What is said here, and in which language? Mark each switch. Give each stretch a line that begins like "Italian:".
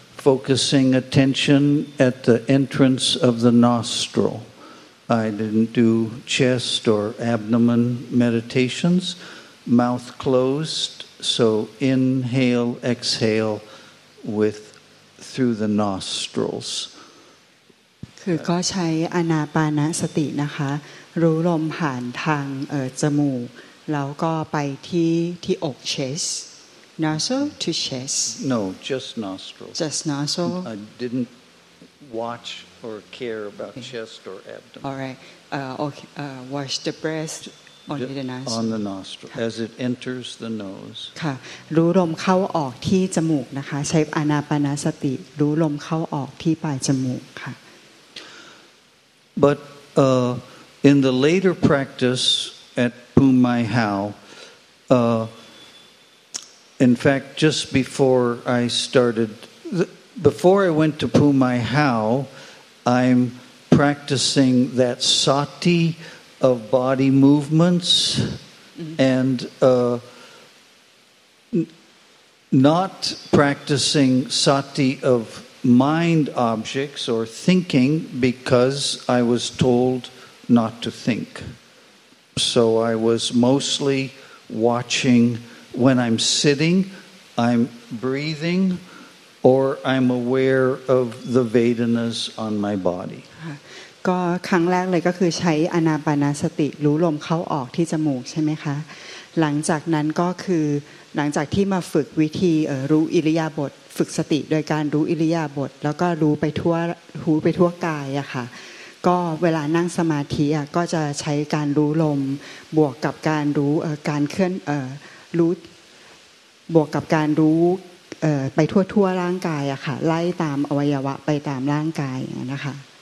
English: Focusing attention at the entrance of the nostril. I didn't do chest or abdomen meditations. Mouth closed, so inhale, exhale with through the nostrils.
Thai: คือก็ใช้อานาปานสตินะคะรู้ลมผ่านทางจมูกแล้วก็ไปที่อก
English: chestNostril to chest. No, just nostrils. Just nostril. I didn't watch or care about chest or abdomen. All right. Okay. Watch the breath only the nostril. On the nostril as it enters the nose.
Thai: ค่ะรู้ลมเข้าออกที่จมูกนะคะใช้อานาปานสติรู้ลมเข้าออกที่ปลายจมูกค่ะ
English: But in the later practice at Pumai Hau. In fact, just before I started, before I went to Pumai Hau, I'm practicing that sati of body movements and not practicing sati of mind objects or thinking because I was told not to think. So I was mostly watching. When I'm sitting, I'm breathing, or I'm aware of the Vedanas on my body.
Thai: ก็ครั้งแรกเลยก็คือใช้อานาปานสติรู้ลมเข้าออกที่จมูกใช่ไหมคะหลังจากนั้นก็คือหลังจากที่มาฝึกวิธีรู้อิริยาบถฝึกสติโดยการรู้อิริยาบถแล้วก็รู้ไปทั่วกายอะค่ะก็เวลานั่งสมาธิอะก็จะใช้การรู้ลมบวกกับการรู้การเคลื่อนรู้บวกกับการรู้ไปทั่วร่างกายอะค่ะไล่ตามอวัยวะไปตามร่างกายนะคะ